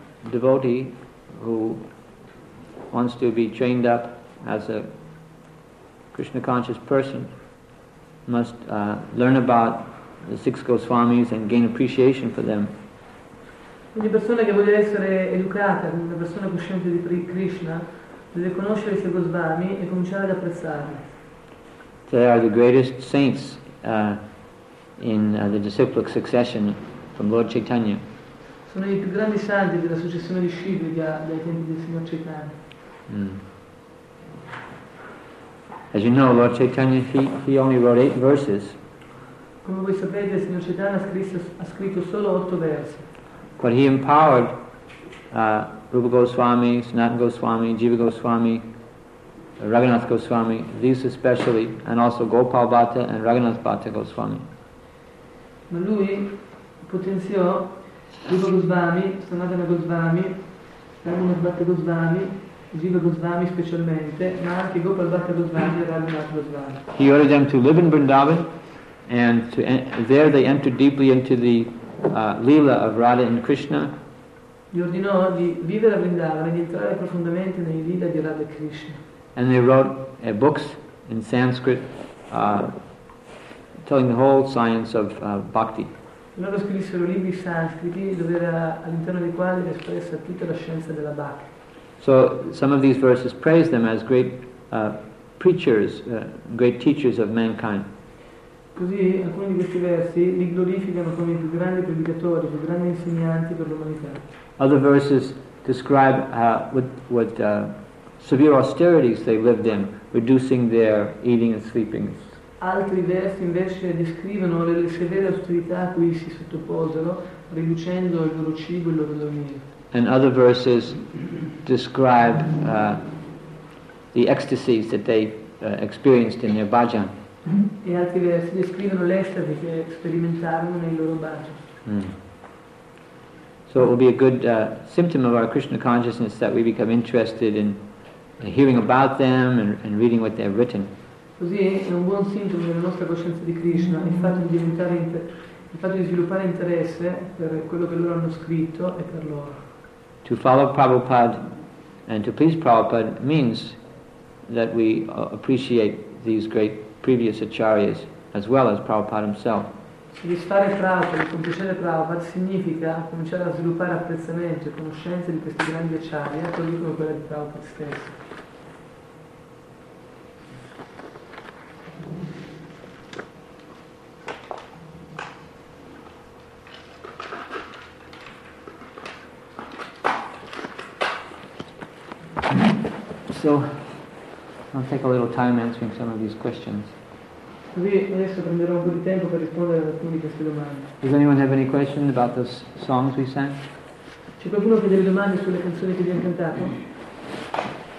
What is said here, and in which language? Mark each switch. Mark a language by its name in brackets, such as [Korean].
[English] Devotee who wants to be trained up as a Krishna conscious person must learn about the six Goswamis and gain appreciation for them. [Italian] Ogni persona che voglia essere educata, una persona cosciente di Krishna, deve conoscere i six Goswami e cominciare ad apprezzarli. [English] They are the greatest saints in the disciplic succession from Lord Chaitanya. [Italian] Sono i più grandi santi della successione di Shiva dai tempi del Signor Chaitanya. [English] As you know, Lord Chaitanya he only wrote 8 verses. [Italian] Come voi sapete, il Signor Chaitanya ha scritto solo 8 versi. [English] But he empowered Rupa Goswami, Sanatana Goswami, Jiva Goswami, Raghunath Goswami, these especially, and also Gopal Bhatta and Raghunath Bhatta Goswami. [Italian] Ma lui potenziò Rupa Goswami, Sanatana Goswami, Raghunath Bhatta Goswami, Jiva Goswami specialmente, ma anche Gopal Bhatta Goswami e Raghunath Goswami. [English] He ordered them to live in Vrindavan and to there they entered deeply into the Leela of Radha and Krishna. [Italian] Gli ordinò di vivere a Vrindavan e di entrare profondamente nei Leela di Radha e Krishna. [English] And they wrote books in Sanskrit telling the whole science of bhakti. [Italian] Loro scrissero libri sanscriti dove era all'interno dei quali era espressa tutta la scienza della Bhakti. [English] So some of these verses praise them as great preachers, great teachers of mankind. [Italian] Così alcuni di questi versi li glorificano come i più grandi predicatori, i più grandi insegnanti per l'umanità. [English] Other verses describe what severe austerities they lived in, reducing their eating and sleeping. [Italian] Altri versi invece descrivono le severe austerità a cui si sottoposero, riducendo il loro cibo e il loro dormire. [English] And other verses describe the ecstasies that they experienced in their bhajan. [Italian] E altri versi descrivono l'estasi che sperimentarono nei loro bhajan. [English] So it will be a good symptom of our Krishna consciousness that we become interested in hearing about them and reading what they have written. [Italian] Così è un buon sintomo della nostra coscienza di Krishna il fatto di sviluppare interesse per quello che loro hanno scritto e per loro. [English] to follow Prabhupada and to please Prabhupada means that we appreciate these great previous acharyas as well as Prabhupada himself. [Italian] Soddisfare Prabhupada, compiacere Prabhupada significa cominciare a sviluppare apprezzamento e conoscenza di questi grandi acharya, così come quella di Prabhupada stesso. [English] So, I'll take a little time answering some of these questions. Does anyone have any question about the songs we sang? [Italian] C'è qualcuno che ha delle domande sulle canzoni che abbiamo cantato?